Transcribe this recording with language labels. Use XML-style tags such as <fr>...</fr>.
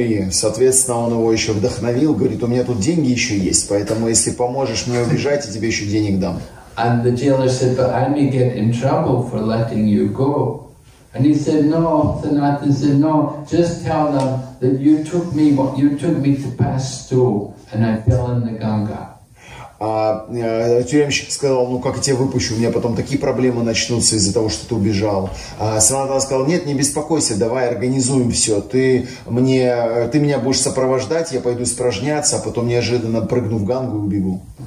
<ru>Соответственно, он его еще вдохновил, говорит, у меня тут деньги еще есть, поэтому если поможешь мне убежать, я тебе еще денег дам.</ru> <en>And the jailer said, but I may get in trouble for letting you go. And he said, no, Sanatan said, no, just tell them that you took me, what you took me to Pasto, and I fell in the Ganga.</en> <ru>А тюремщик сказал, ну как я тебя выпущу, у меня потом такие проблемы начнутся из-за того, что ты убежал. Санатана сказал, нет, не беспокойся, давай организуем все. Ты меня будешь сопровождать, я пойду испражняться, а потом неожиданно прыгну в Гангу и убегу.</ru>